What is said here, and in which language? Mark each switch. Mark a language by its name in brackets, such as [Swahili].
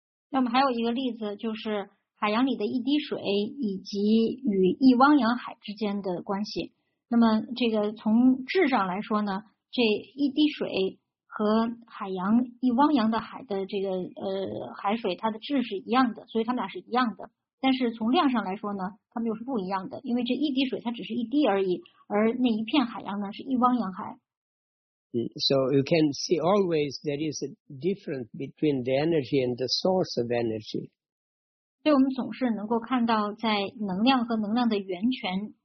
[Chinese] 那么还有一个例子就是海洋里的一滴水以及与一汪洋海之间的关系。那么这个从质上来说呢，这一滴水和海洋一汪洋的海的这个海水，它的质是一样的，所以它们俩是一样的。但是从量上来说呢，它们又是不一样的，因为这一滴水它只是一滴而已，而那一片海洋呢是一汪洋海。 [English] So you can see always there is a difference between the energy and the source of energy. [Chinese] 所以我们总是能够看到在能量和能量的源泉